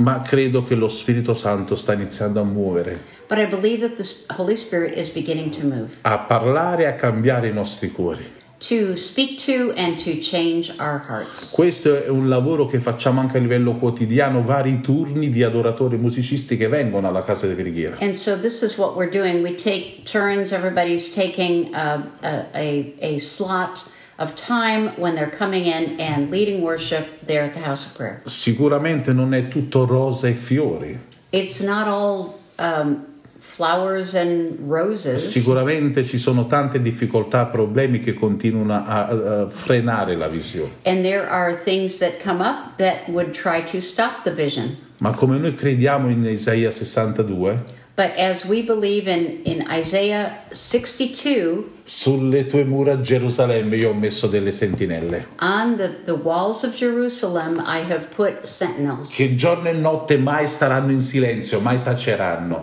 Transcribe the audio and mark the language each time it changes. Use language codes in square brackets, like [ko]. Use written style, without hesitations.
[it] Ma credo che lo Spirito Santo sta iniziando a muovere. [en] But I believe that the Holy Spirit is beginning to move. [it] A parlare e a cambiare i nostri cuori. [en] To speak to and to change our hearts. [it] Questo è un lavoro che facciamo anche a livello quotidiano, vari turni di adoratori e musicisti che vengono alla casa di preghiera. [en] And so this is what we're doing. We take turns, everybody's taking a slot of time when they're coming in and leading worship there at the house of prayer. [it] Sicuramente non è tutto rose e fiori. [en] It's not all flowers and roses. [it] Sicuramente ci sono tante difficoltà, problemi che continuano a frenare la visione. [en] And there are things that come up that would try to stop the vision. [it] Ma come noi crediamo in Isaia 62. [en] But as we believe in Isaiah 62. [it] Sulle tue mura Gerusalemme io ho messo delle sentinelle. [en] On the walls of Jerusalem I have put sentinels. [it] Che giorno e notte mai staranno in silenzio, mai taceranno.